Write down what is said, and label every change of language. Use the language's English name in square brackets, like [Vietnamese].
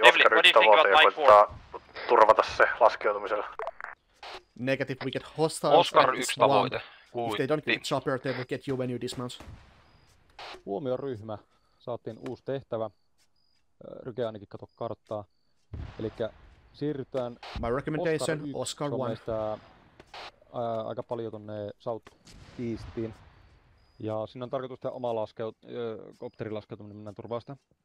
[Finnish] Oscar 1 tavoite ja koittaa turvata se laskeutumisella. [English] Negative. We get hostile. [Finnish] Oscar 1 tavoite. [English] If they don't get chopper, they will get you when you dismount. [Finnish] Huomio ryhmä. Saatiin uusi tehtävä. Ryke ainakin kato karttaa. Elikkä siirrytään... [English] My recommendation, Oscar 1. [Finnish] Aika paljon tonne South Eastiin. Ja siinä on tarkoitus tehdä oma kopterin laskeutuminen, mennään turvaa sitä.